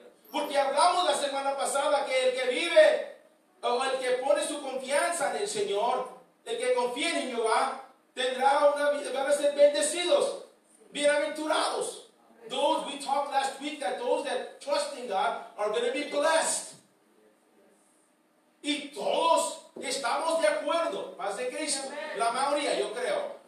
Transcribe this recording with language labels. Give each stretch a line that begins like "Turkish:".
Spanish: Porque hablamos la semana pasada que el que vive o el que pone su confianza en el Señor, el que confía en Jehová, tendrá una vida, van a ser bendecidos, bienaventurados.
English: Those, we talked last week that those that trust in God are going to be blessed.
Spanish: Y todos estamos de acuerdo, paz de Cristo, la mayoría, yo creo.